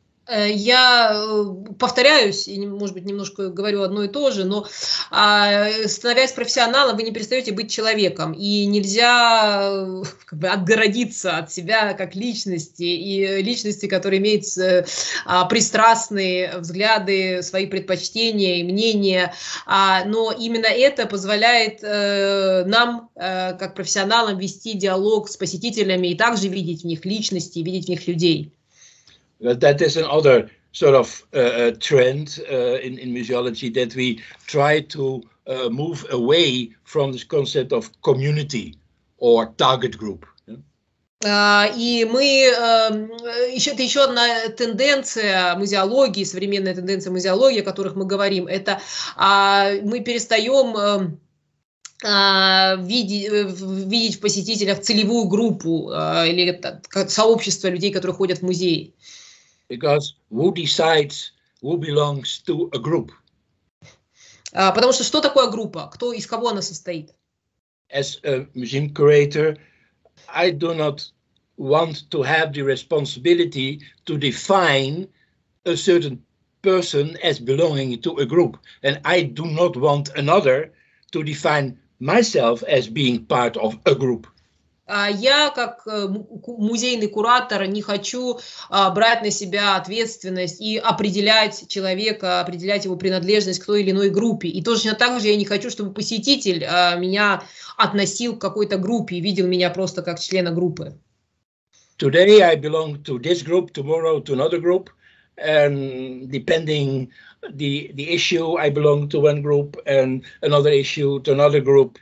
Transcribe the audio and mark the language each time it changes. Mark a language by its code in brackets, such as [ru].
[ru] Я повторяюсь и, может быть, немножко говорю одно и то же, но становясь профессионалом, вы не перестаете быть человеком, и нельзя как бы отгородиться от себя как личности, и личности, которая имеет пристрастные взгляды, свои предпочтения и мнения, но именно это позволяет нам, как профессионалам, вести диалог с посетителями и также видеть в них личности, видеть в них людей. [en] That is another sort of trend in museology, that we try to move away from this concept of community or target group. [ru] И мы еще одна тенденция музеологии, современная тенденция музеологии, о которых мы говорим, это мы перестаем видеть в посетителях целевую группу или сообщество людей, которые ходят в музей. [en] Because who decides who belongs to a group? [ru] Потому что что такое группа? Кто из кого она состоит? [en] As a museum curator, I do not want to have the responsibility to define a certain person as belonging to a group, and I do not want another to define myself as being part of a group. [ru] Я, как музейный куратор, не хочу брать на себя ответственность и определять человека, определять его принадлежность к той или иной группе. И точно так же я не хочу, чтобы посетитель меня относил к какой-то группе, видел меня просто как члена группы. [en] Today I belong to this group, tomorrow to another group, and depending the issue, I belong to one group, and another issue to another group.